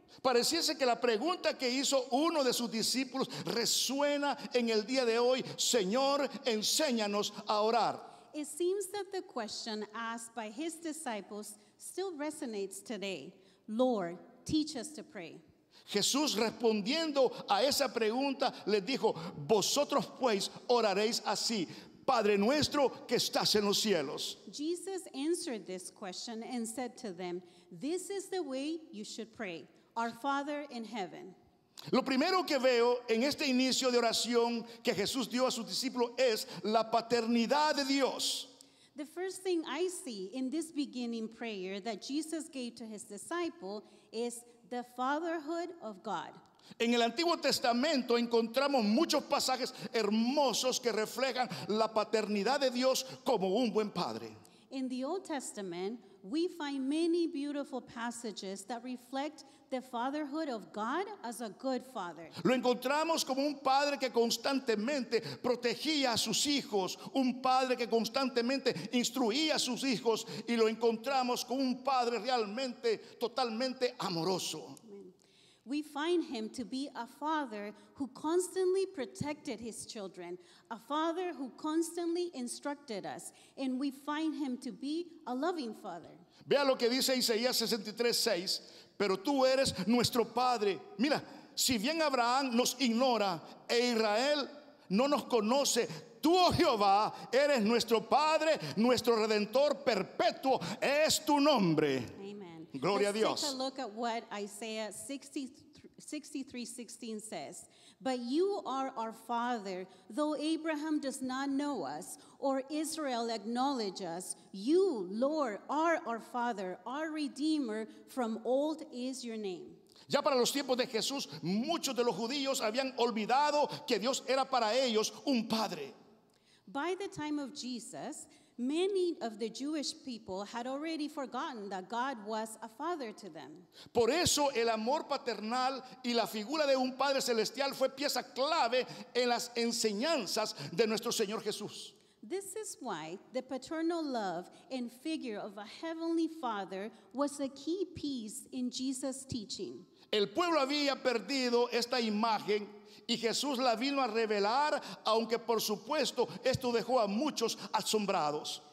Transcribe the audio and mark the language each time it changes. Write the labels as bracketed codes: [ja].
[es] Pareciese que la pregunta que hizo uno de sus discípulos resuena en el día de hoy. Señor, enséñanos a orar. [en] It seems that the question asked by his disciples still resonates today. Lord, teach us to pray. [es] Jesús respondiendo a esa pregunta les dijo, vosotros pues oraréis así. Padre nuestro que estás en los cielos. [en] Jesus answered this question and said to them, this is the way you should pray. Our Father in heaven. [es] Lo primero que veo en este inicio de oración que Jesús dio a sus discípulos es la paternidad de Dios. [en] The first thing I see in this beginning prayer that Jesus gave to his disciple is the fatherhood of God. [es] En el Antiguo Testamento encontramos muchos pasajes hermosos que reflejan la paternidad de Dios como un buen padre. [en] In the Old Testament, we find many beautiful passages that reflect the fatherhood of God as a good father. [es] Lo encontramos como un padre que constantemente protegía a sus hijos, un padre que constantemente instruía a sus hijos, y lo encontramos como un padre realmente totalmente amoroso. [en] We find him to be a father who constantly protected his children, a father who constantly instructed us, and we find him to be a loving father. [es] Vea lo que dice Isaías 63:6, pero tú eres nuestro padre. Mira, si bien Abraham nos ignora e Israel no nos conoce, tú, oh Jehová, eres nuestro padre, nuestro redentor perpetuo es tu nombre. Gloria a Dios. [en] Take a look at what Isaiah 63:16 says. But you are our father, though Abraham does not know us or Israel acknowledge us. You, Lord, are our father, our redeemer from old is your name. [es] Ya para los tiempos de Jesús, muchos de los judíos habían olvidado que Dios era para ellos un padre. [en] By the time of Jesus, many of the Jewish people had already forgotten that God was a father to them. [es] Por eso el amor paternal y la figura de un padre celestial fue pieza clave en las enseñanzas de nuestro Señor Jesús. [en] This is why the paternal love and figure of a heavenly father was a key piece in Jesus' teaching. [es] El pueblo había perdido esta imagen y Jesús la vino a revelar, aunque por supuesto esto dejó a muchos asombrados.